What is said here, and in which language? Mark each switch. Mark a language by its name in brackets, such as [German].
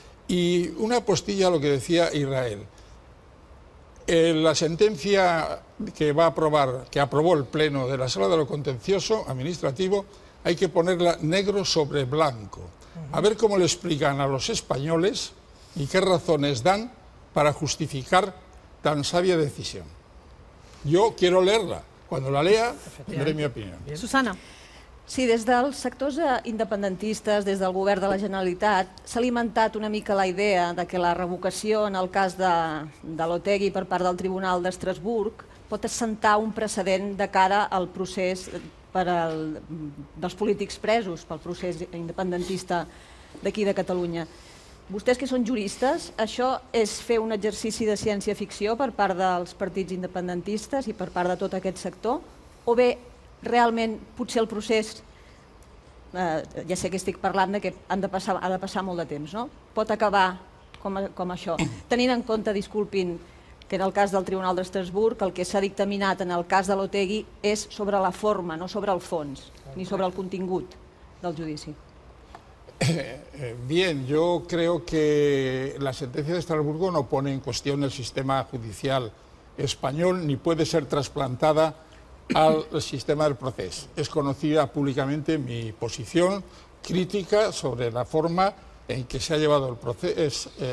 [Spanish] Y una apostilla a lo que decía Israel, la sentencia que va a aprobar, que aprobó el Pleno de la Sala de lo Contencioso Administrativo, hay que ponerla negro sobre blanco. A ver cómo le explican a los españoles y qué razones dan para justificar tan sabia decisión. Yo quiero leerla. Cuando la lea, tendré mi opinión. Susana. [Catalan] Sí, des dels sectors independentistes, des del govern de la Generalitat, s'ha alimentat una mica la idea de que la revocació en el cas de l'Otegi per part del Tribunal d'Estrasburg pot assentar un precedent de cara al procés dels polítics presos pel procés independentista d'aquí de Catalunya. Vostès que són juristes, això és fer un exercici de ciència-ficció per part dels partits independentistes i per part de tot aquest sector? O bé, realment, potser el procés ja sé que estic parlant de que han de passar, ha de passar molt de temps, no? Pot acabar com això, tenint en compte, disculpin, que en el cas del Tribunal d'Estrasburg el que s'ha dictaminat en el cas de l'Otegi és sobre la forma, no sobre el fons, ni sobre el contingut del judici. [Spanish] Bien, yo creo que la sentencia de Estrasburgo no pone en cuestión el sistema judicial español ni puede ser trasplantada al sistema del proceso. Es conocida públicamente mi posición crítica sobre la forma en que se ha llevado el proceso.